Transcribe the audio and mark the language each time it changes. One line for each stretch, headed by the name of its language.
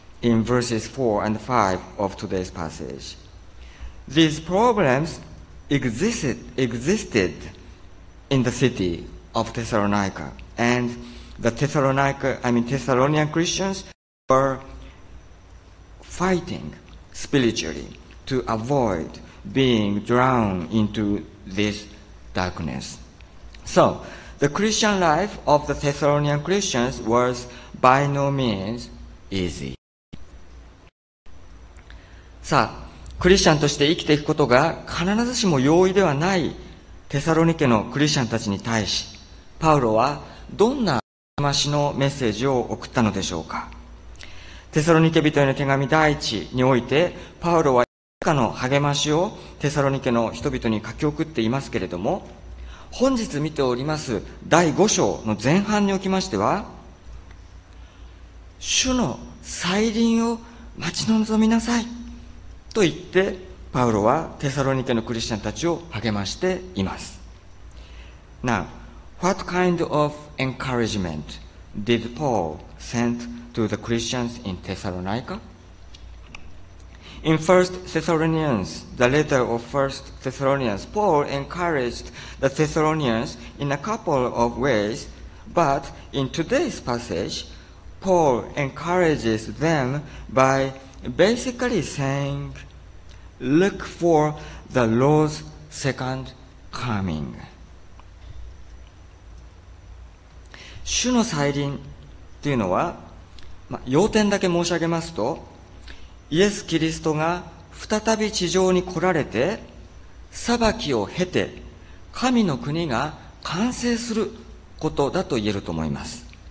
English: In verses 4 and 5 of today's passage, these problems existed in the city of Thessalonica, and Thessalonian Christians were fighting spiritually to avoid being drowned into this darkness. So, the Christian life of the Thessalonian Christians was by no means easy.
Japanese: さあ、クリスチャンとして生きていくことが必ずしも容易ではないテサロニケのクリスチャンたちに対し、パウロはどんな励ましのメッセージを送ったのでしょうか。テサロニケ人への手紙第一において、パウロはいくつかの励ましをテサロニケの人々に書き送っていますけれども、本日見ております第五章の前半におきましては、主の再臨を待ち望みなさいと言ってパウロはテサロニケのクリスチャンたちを励ましています。
English: Now, what kind of encouragement did Paul send to the Christians in Thessalonica? In 1 Thessalonians, the letter of 1 Thessalonians, Paul encouraged the Thessalonians in a couple of ways, but in today's passage, Paul encourages them by basically saying, look for the Lord's second coming.
Japanese: 主の再臨というのは、要点だけ申し上げますと、イエス・キリストが再び地上に来られて、裁きを経て、神の国が完成することだと言えると思います。